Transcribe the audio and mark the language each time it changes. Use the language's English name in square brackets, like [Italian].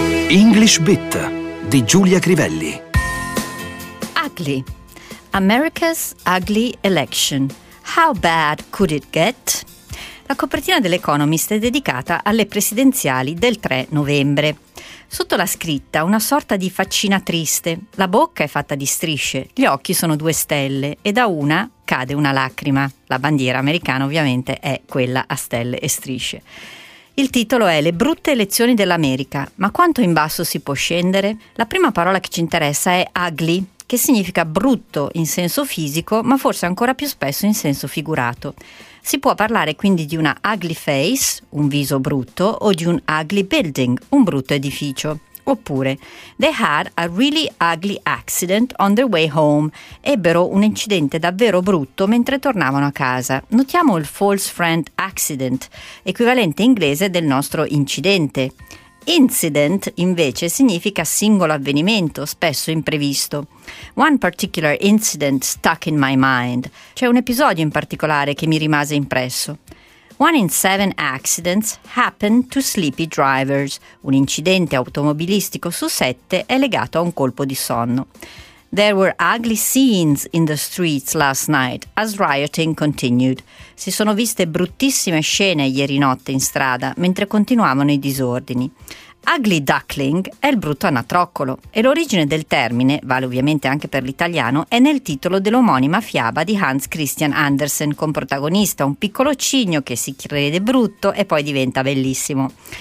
[Italian] English Bit di Giulia Crivelli. [English] Ugly. America's ugly election. How bad could it get? [Italian] La copertina dell'Economist è dedicata alle presidenziali del 3 novembre. Sotto la scritta una sorta di faccina triste. La bocca è fatta di strisce, gli occhi sono due stelle e da una cade una lacrima. La bandiera americana ovviamente è quella a stelle e strisce. Il titolo è Le brutte elezioni dell'America, ma quanto in basso si può scendere? La prima parola che ci interessa è ugly, che significa brutto in senso fisico, ma forse ancora più spesso in senso figurato. Si può parlare quindi di una ugly face, un viso brutto, o di un ugly building, un brutto edificio. [English] Oppure, they had a really ugly accident on their way home. [Italian] Ebbero un incidente davvero brutto mentre tornavano a casa. Notiamo il false friend accident, equivalente inglese del nostro incidente. Incident, invece, significa singolo avvenimento, spesso imprevisto. [English] One particular incident stuck in my mind. [Italian] C'è un episodio in particolare che mi rimase impresso. [English] One in seven accidents happen to sleepy drivers. [Italian] Un incidente automobilistico su sette è legato a un colpo di sonno. [English] There were ugly scenes in the streets last night as rioting continued. [Italian] Si sono viste bruttissime scene ieri notte in strada mentre continuavano i disordini. Ugly duckling è il brutto anatroccolo e l'origine del termine, vale ovviamente anche per l'italiano, è nel titolo dell'omonima fiaba di Hans Christian Andersen con protagonista un piccolo cigno che si crede brutto e poi diventa bellissimo.